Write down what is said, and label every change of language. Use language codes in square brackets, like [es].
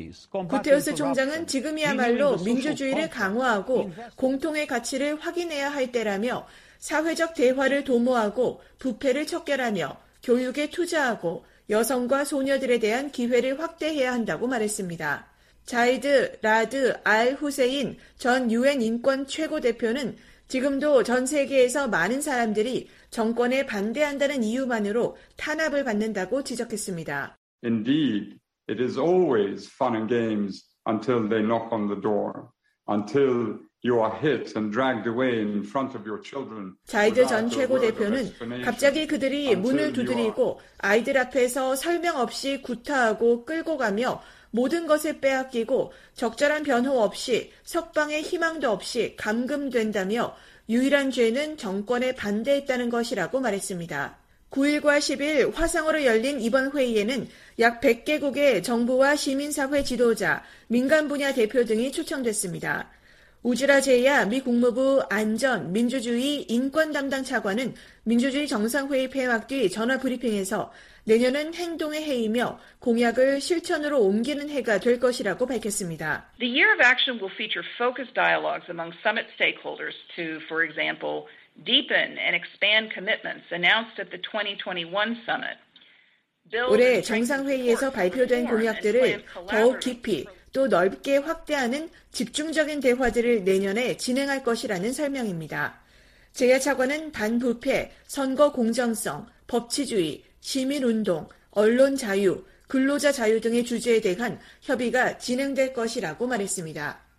[ko] 구테흐스 총장은 지금이야말로 민주주의를 강화하고 공통의 가치를 확인해야 할 때라며 사회적 대화를 도모하고 부패를 척결하며 교육에 투자하고 여성과 소녀들에 대한 기회를 확대해야 한다고 말했습니다. 자이드 라드 알 후세인 전 유엔 인권 최고 대표는 지금도 전 세계에서 많은 사람들이 정권에 반대한다는 이유만으로 탄압을 받는다고 지적했습니다. [en] Indeed. It is always fun and games until they knock on the door, until You are hit and dragged away in front of your children. [ko] 자이드 전 최고 대표는 갑자기 그들이 문을 두드리고 아이들 앞에서 설명 없이 구타하고 끌고 가며 모든 것을 빼앗기고 적절한 변호 없이 석방의 희망도 없이 감금된다며 유일한 죄는 정권에 반대했다는 것이라고 말했습니다. 9일과 10일 화상으로 열린 이번 회의에는 약 100개국의 정부와 시민사회 지도자, 민간 분야 대표 등이 초청됐습니다. 우즈라 제야 미 국무부 안전, 민주주의, 인권 담당 차관은 민주주의 정상회의 폐막 뒤 전화 브리핑에서 내년은 행동의 해이며 공약을 실천으로 옮기는 해가 될 것이라고 밝혔습니다. [en] The year of action will feature focused dialogues among summit stakeholders to, for example, deepen and expand commitments announced at the 2021 summit. [ko] 올해 정상회의에서 발표된 공약들을 더욱 깊이 또 넓게 확대하는 집중적인 대화들을 내년에 진행할 것이라는 설명입니다. 제야 차관은 반부패, 선거 공정성, 법치주의, 시민운동, 언론 자유, 근로자 자유 등의 주제에 대한 협의가 진행될 것이라고 말했습니다.